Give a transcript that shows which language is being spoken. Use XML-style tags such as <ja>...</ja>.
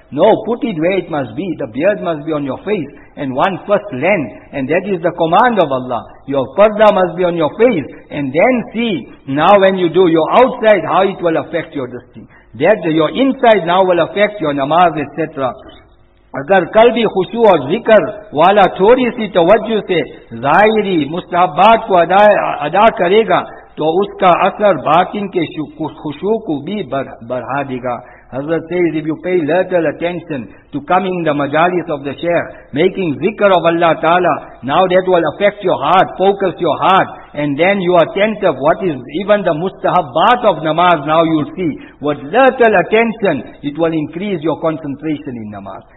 <en>No, put it where it must be. The beard must be on your face and one first lens. And that is the command of Allah. Your parda must be on your face. And then see, now when you do your outside, how it will affect your destiny. That your inside now will affect your namaz, etc.</en> <ur>اگر قلبی خشوع اور ذکر والا تھوڑی سی توجہ سے ظاہری مستحبات کو ادا کرے گا تو اس کا اثر باطن کے خشوع کو بھی بڑھا دے گا.</ur> <en>Hazrat says, if you pay little attention to coming the majalis of the Shaykh, making zikr of Allah Ta'ala, now that will affect your heart, focus your heart, and then you are attentive, what is even the mustahabbat of namaz, now you'll see, with little attention, it will increase your concentration in namaz.</en>